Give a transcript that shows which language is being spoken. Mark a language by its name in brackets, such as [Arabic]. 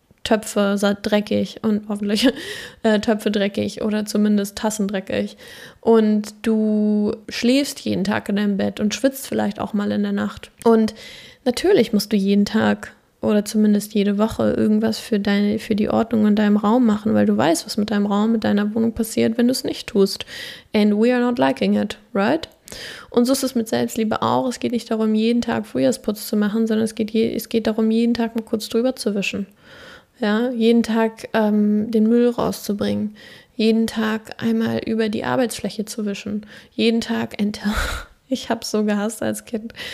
[German] Töpfe dreckig und hoffentlich Töpfe dreckig oder zumindest Tassen dreckig. Und du schläfst jeden Tag in deinem Bett und schwitzt vielleicht auch mal in der Nacht. Und natürlich musst du jeden Tag oder zumindest jede Woche irgendwas für die Ordnung in deinem Raum machen, weil du weißt, was mit deinem Raum, mit deiner Wohnung passiert, wenn du es nicht tust. [English] And we are not liking it, right? [German] Und so ist es mit Selbstliebe auch. Es geht nicht darum, jeden Tag Frühjahrsputz zu machen, sondern es geht darum, jeden Tag mal kurz drüber zu wischen. Ja, jeden Tag den Müll rauszubringen. Jeden Tag einmal über die Arbeitsfläche zu wischen. Jeden Tag enter. Ich habe es so gehasst als Kind.